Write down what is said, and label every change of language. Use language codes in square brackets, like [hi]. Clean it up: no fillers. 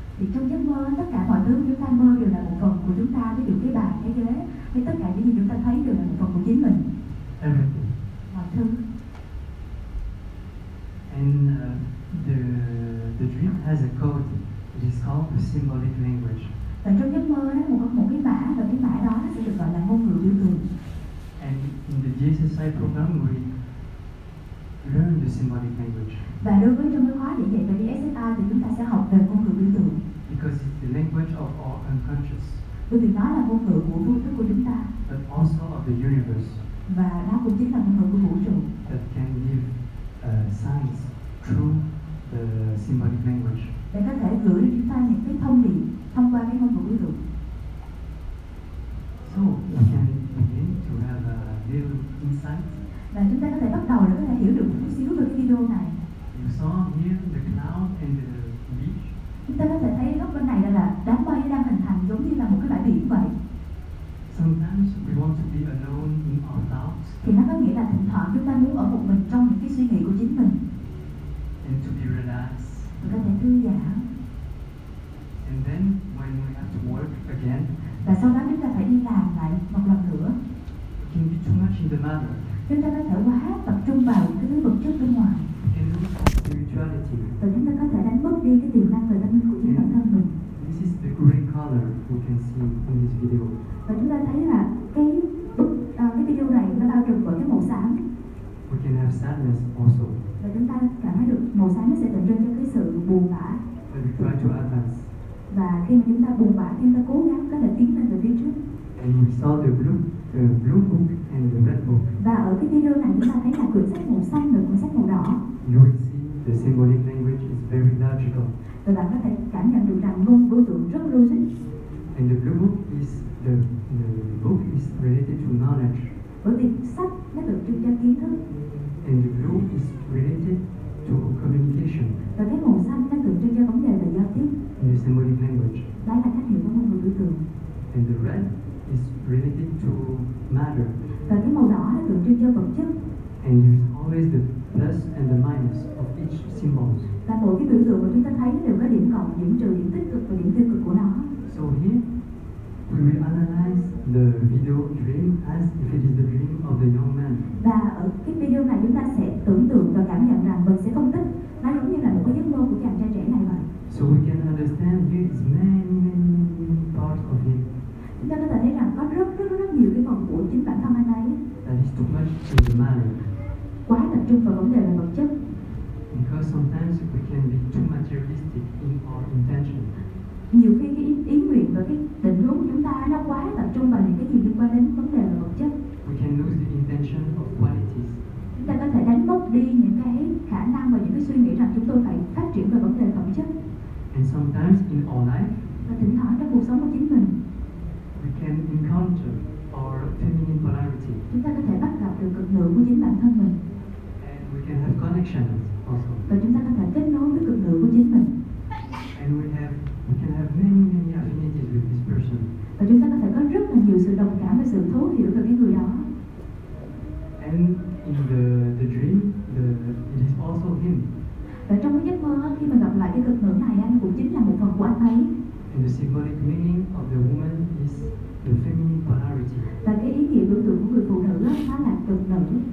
[vi] Thì trong giấc mơ, tất cả mọi thứ chúng ta mơ đều là một phần của chúng ta, ví dụ cái bàn, cái ghế, thì tất cả những gì chúng ta thấy đều là một phần của chính mình. [en] Everything. [vi] Mọi thứ. [en] And the dream has a code. It is called the symbolic language. [vi] Và trong giấc mơ đó, có một cái mã, và cái mã đó sẽ được gọi là ngôn ngữ biểu tượng. [en] And in the GSSI program, we learn the symbolic language. [vi] Và đối với trong cái khóa dạy về GSSI thì chúng ta sẽ học về ngôn ngữ biểu tượng. [en] Because it's the language of our unconscious. [vi] Bởi vì nó là ngôn ngữ của vô thức của chúng ta. [en] But also of the universe. [vi] Và nó cũng chính là ngôn ngữ của vũ trụ. [en] That can give signs through the symbolic language. [vi] Để có thể gửi chúng ta những cái thông điệp thông qua cái ngôn ngữ biểu tượng. [en] So we can begin to have a little insight. [vi] Và chúng ta có thể bắt đầu để có thể hiểu được một chút xíu về cái video này. [en] You saw here the cloud and the beach. [vi] Chúng ta có thể thấy góc bên này là đám mây đang hình thành giống như là một cái bãi biển vậy. [en] Sometimes we want to be alone in our thoughts. [vi] Thì nó có nghĩa là thỉnh thoảng chúng ta muốn ở một mình trong những cái suy nghĩ của chính mình. [en] And to be relaxed. [vi] Và có thể thư giãn. [en] And then when we have to work again. [vi] Và sau đó chúng ta phải đi làm lại một lần nữa. [en] We can be too much in the matter. [vi] Chúng ta có thể quá tập trung vào cái thứ vật chất bên ngoài. [en] Can we lose spirituality? [vi] Và chúng ta có thể đánh mất đi cái tiềm năng về tâm linh của chính bản thân mình. [en] This is the green color we can see in this video. [vi] Và chúng ta thấy là cái video này nó bao trùm bởi cái màu xám. [en] We can have sadness also. [vi] Và chúng ta cảm thấy được màu xám nó sẽ tượng trưng cho cái sự buồn bã. [en] But we try to advance. [vi] Và khi mà chúng ta buồn bã, chúng ta cố gắng có thể tiến lên về phía trước. [en] And we saw the blue book and the red book. [vi] Và ở cái video này chúng ta thấy là quyển sách màu xanh và quyển sách màu đỏ. [en] You will see the symbolic language is very logical. [vi] Và bạn có thể cảm nhận được rằng ngôn biểu tượng rất logic. [en] And the blue book is the book is related to knowledge. [vi] Bởi vì sách nó được trưng cho kiến thức. [en] And the blue is related to communication. [vi] Và cái màu xanh nó được trưng cho vấn đề về giao tiếp. [en] In the symbolic language. [vi] Đó là cách hiểu của ngôn biểu tượng. [en] And the red is related to matter. [vi] Và cái màu đỏ nó tượng trưng cho vật chất. [en] And there is always the plus and the minus of each symbol. [vi] Và mỗi cái biểu tượng mà chúng ta thấy đều có điểm cộng, điểm trừ, điểm tích cực và điểm tiêu cực của nó. [en] So here we will analyze the video dream as if it is the dream of the young man. [vi] Và ở cái video này chúng ta sẽ tưởng tượng và cảm nhận rằng mình sẽ phân tích nó giống như là một cái giấc mơ của chàng trai trẻ này vậy. [en] So we can understand here is many parts of him. [vi] Chúng ta có thể thấy rằng có rất nhiều cái phần của chính bản thân anh ấy. [en] That is too much in the matter. [vi] Quá tập trung vào vấn đề về vật chất. [en] Because sometimes we can be too materialistic in our intention. [vi] Nhiều khi cái ý nguyện và cái định hướng của chúng ta nó quá tập trung vào những cái gì liên quan đến vấn đề về vật chất. [en] We can lose the intention of qualities. [vi] Chúng ta có thể đánh mất đi những cái khả năng và những cái suy nghĩ rằng chúng tôi phải phát triển về vấn đề phẩm chất. [en] And sometimes in our life. [vi] Và thỉnh thoảng trong cuộc sống của chính mình. [en] We can encounter our feminine polarity. [vi] Chúng ta có thể bắt gặp được cực nữ của chính bản thân mình. [en] And we can have connections also. [vi] Và chúng ta có thể kết nối với cực nữ của chính mình. [en] And we can have many affinities with this person. [vi] Và chúng ta có thể có rất là nhiều sự đồng cảm và sự thấu hiểu với cái người đó. [en] And in the dream, it is also him. [vi] Và trong cái giấc mơ khi mà gặp lại cái cực nữ này, anh cũng chính là một phần của anh ấy. [en] And the symbolic meaning of the woman is the feminine polarity. [vi] Và cái ý nghĩa biểu tượng của người phụ nữ đó là cực nữ.